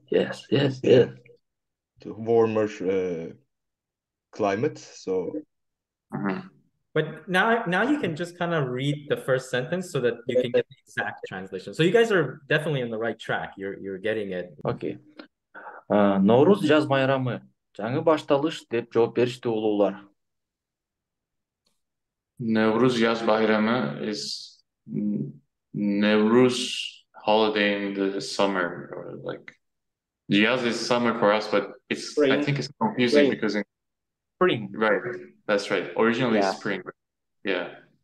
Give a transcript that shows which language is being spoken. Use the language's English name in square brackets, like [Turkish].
[English] To warmer climate. So, But now you can just kind of read the first sentence so that you can get the exact translation. So you guys are definitely on the right track. You're getting it. [Kyrgyz] Okay. Noruz jaz bayramı. Жаңы башталыш деп жооп беришти улуулар. [Turkish] Nevruz yaz bayramı [English] is Nevruz holiday in the summer or like yaz is summer for us but it's spring. I think it's confusing spring. Because in spring. Right. That's right. Originally yeah. Spring. Yeah.